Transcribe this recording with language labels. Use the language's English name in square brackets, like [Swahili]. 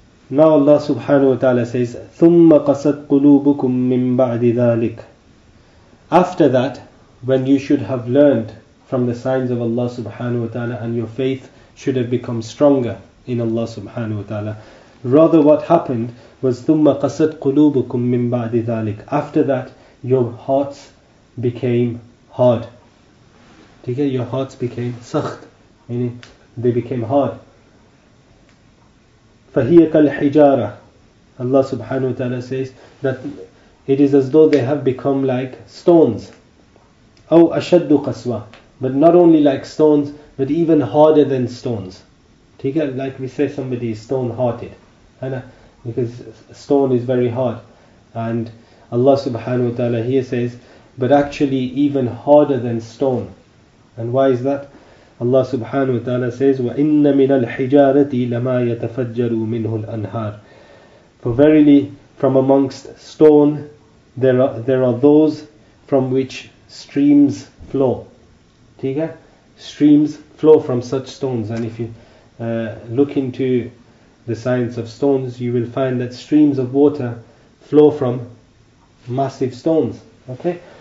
[English] Now Allah subhanahu wa ta'ala says, [Arabic] ثُمَّ قَسَتْ قُلُوبُكُمْ مِنْ بَعْدِ ذَلِكَ. [English] After that, when you should have learned from the signs of Allah subhanahu wa ta'ala and your faith should have become stronger in Allah subhanahu wa ta'ala. Rather what happened was, [Arabic] ثُمَّ قَسَتْ قُلُوبُكُمْ مِنْ بَعْدِ ذَلِكَ. [English] After that, your hearts became hard. Okay? Your hearts became سخت, meaning they became hard. [Arabic] فَهِيَ كَالْحِجَارَةِ. [English] Allah subhanahu wa ta'ala says that it is as though they have become like stones. [Arabic] أَوْ أَشَدُّ قَسْوَةً. [English] But not only like stones, but even harder than stones. Like we say somebody is stone-hearted. Because stone is very hard. And Allah subhanahu wa ta'ala here says, but actually even harder than stone. And why is that? Allah subhanahu wa ta'ala says, [Arabic] وَإِنَّ مِنَ الْحِجَارَةِ لَمَا يَتَفَجَّرُ مِنْهُ الْأَنْهَارِ. [English] For verily, from amongst stone, there are those from which streams flow. Tika? Streams flow from such stones. And if you look into the science of stones, you will find that streams of water flow from massive stones. Okay?